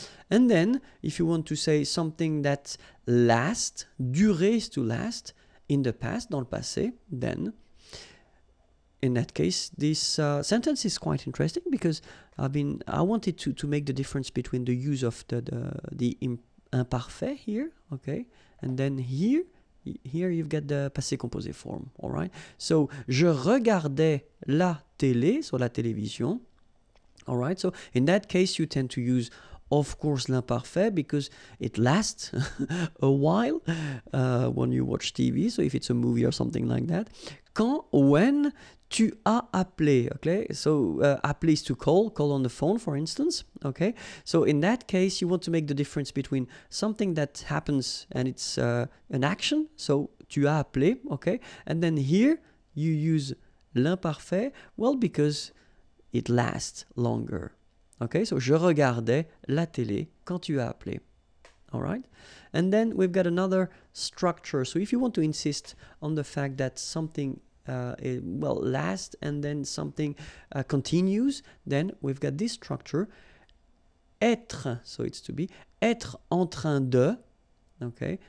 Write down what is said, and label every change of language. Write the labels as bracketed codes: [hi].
[en] And then, if you want to say something that lasts, durée is to last, in the past, [fr] dans le passé, [en] then, in that case, this sentence is quite interesting because I wanted to make the difference between the use of the imparfait here, okay, and then here you've got the passé composé form, all right? So, [fr] je regardais la télé, so la télévision, [en] all right? So, in that case, you tend to use, of course, l'imparfait, because it lasts a while when you watch TV, so if it's a movie or something like that. Quand, when, [fr] tu as appelé, [en] okay? So, appelé is to call on the phone, for instance, okay? So, in that case, you want to make the difference between something that happens and it's an action, so [fr] tu as appelé, [en] okay? And then here, you use l'imparfait, well, because it lasts longer. Okay, so [fr] je regardais la télé quand tu as appelé. [en] All right? And then we've got another structure. So if you want to insist on the fact that something, lasts and then something continues, then we've got this structure. Être, so it's to be, [fr] être en train de, [en] okay?